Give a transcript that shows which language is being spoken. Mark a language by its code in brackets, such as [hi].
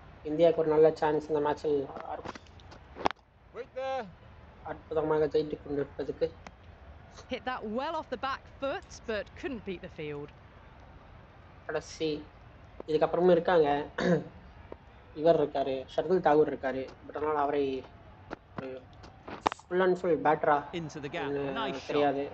[ta] இந்தியாவுக்கு ஒரு நல்ல சான்ஸ் இந்த மேட்சில் அற்புதமாக ஜெயித்து கொண்டிருப்பதுக்கு. [en] Hit that well off the back foot but couldn't beat the field. [ta] கடைசி இதுக்கப்புறமும் இருக்காங்க. இவர் இருக்காரு ஷர்துல் தாகூர் இருக்காரு, பட் அதனால அவரை ஃபுல் அண்ட் ஃபுல் பேட்டரா தெரியாது.